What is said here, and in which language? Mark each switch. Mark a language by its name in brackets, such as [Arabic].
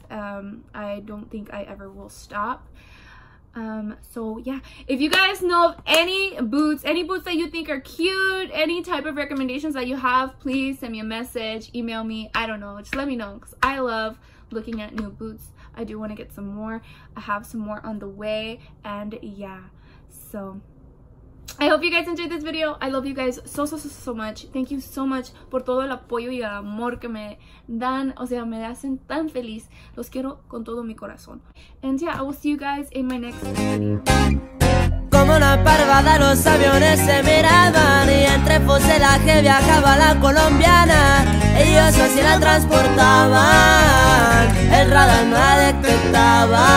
[English] I don't think I ever will stop. So yeah, if you guys know of any boots that you think are cute, any type of recommendations that you have, please send me a message, email me, I don't know, just let me know, because I love looking at new boots. I do want to get some more. I have some more on the way. And yeah, so I hope you guys enjoyed this video. I love you guys so, so, so, so much. Thank you so much [Spanish] por todo el apoyo y el amor que me dan. O sea, me hacen tan feliz. Los quiero con todo mi corazón. [English] And yeah, I will see you guys in my next video. [Spanish] Como una parvada, los aviones se miraban. Y entre fuselaje viajaba la colombiana. Ellos así la transportaban. El radar no la detectaba.